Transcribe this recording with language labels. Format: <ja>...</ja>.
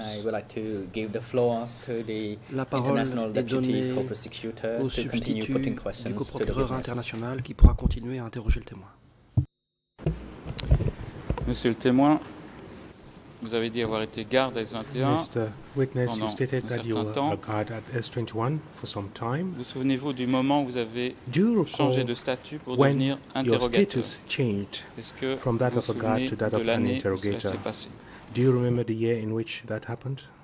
<en>And I would like to give the floor to the international deputy co-prosecutor to continue putting questions to the witness.</en> <fr>International qui pourra continuer à interroger le témoin. Monsieur le témoin, vous avez dit avoir été garde à S21.</fr> <en>Mr. Witness, you stated that you were a guard at S21 for some time.</en> <fr>Vous souvenez-vous du moment où vous avez changé de statut pour devenir interrogateur?</fr> <en>Your status changed from that of a guard to that of an interrogator. Do you remember the year in which that happened?</en>